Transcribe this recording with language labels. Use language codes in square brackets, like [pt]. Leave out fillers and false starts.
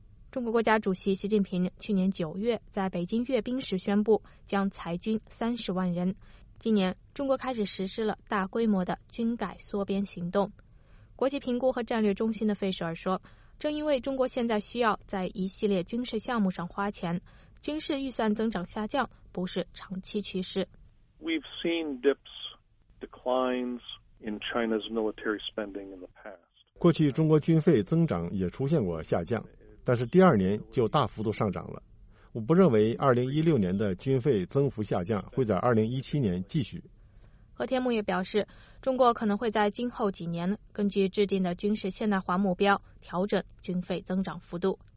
[zh] 中国国家主席习近平去年九月在北京阅兵时宣布将裁军30万人。今年，中国开始实施了大规模的军改缩编行动。国际评估和战略中心的费舍尔说，正因为中国现在需要在一系列军事项目上花钱，军事预算增长下降不是长期趋势。 [en] We've seen dips, declines in China's military spending in the past. [zh] 过去中国军费增长也出现过下降，但是第二年就大幅度上涨了。我不认为2016年的军费增幅下降会在2017年继续。何天木也表示，中国可能会在今后几年根据制定的军事现代化目标调整军费增长幅度。